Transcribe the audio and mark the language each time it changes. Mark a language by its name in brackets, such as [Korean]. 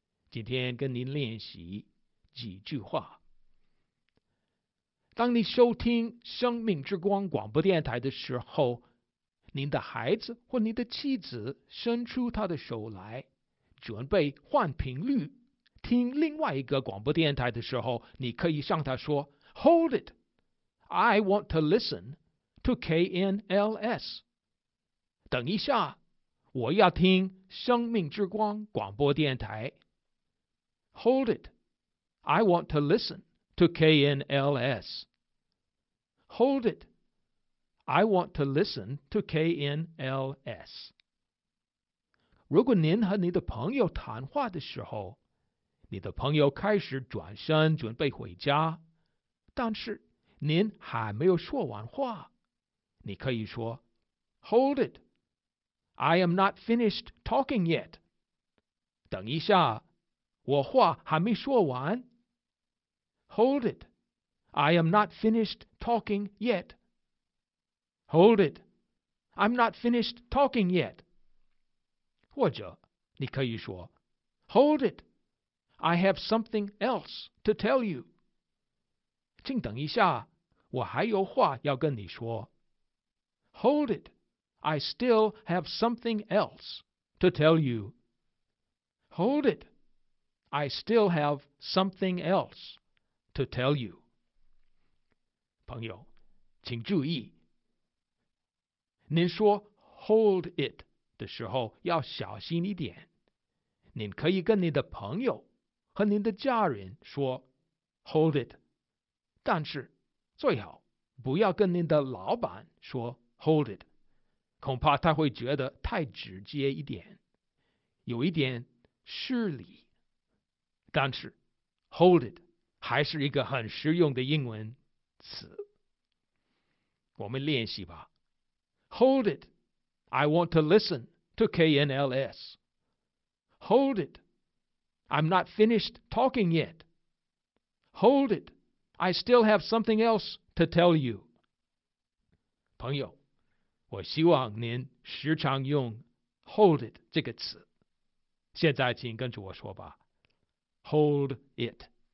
[Chinese] 今天跟您练习几句话。当你收听生命之光广播电台的时候，您的孩子或您的妻子伸出他的手来准备换频率听另外一个广播电台的时候，你可以向他说 [English] Hold it, I want to listen to KNLS。 [Chinese] 等一下，我要听生命之光广播电台。 [English] Hold it, I want to listen to KNLS. Hold it, I want to listen to KNLS. [Chinese] 如果您和你的朋友谈话的时候，你的朋友开始转身准备回家，但是您还没有说完话，你可以说 [English] Hold it, I am not finished talking yet. [Chinese] 等一下，我话还没说完。 [English] Hold it, I am not finished talking yet. Hold it, I'm not finished talking yet. [Chinese] 或者你可以说 [English] Hold it, I have something else to tell you. [Chinese] 请等一下，我还有话要跟你说。 [English] Hold it, I still have something else to tell you. Hold itI still have something else to tell you. [Chinese] 朋友，请注意，您说 hold it 的时候要小心一点。您可以跟您的朋友和您的家人说 hold it， 但是最好不要跟您的老板说 hold it， 恐怕他会觉得太直接一点，有一点失礼。但是 hold it 还是一个很实用的英文词。我们练习吧。 [English] Hold it, I want to listen to KNLS. Hold it, I'm not finished talking yet. Hold it, I still have something else to tell you. [Chinese] 朋友，我希望您时常用 hold it 这个词。现在请跟着我说吧。 [English] Hold it.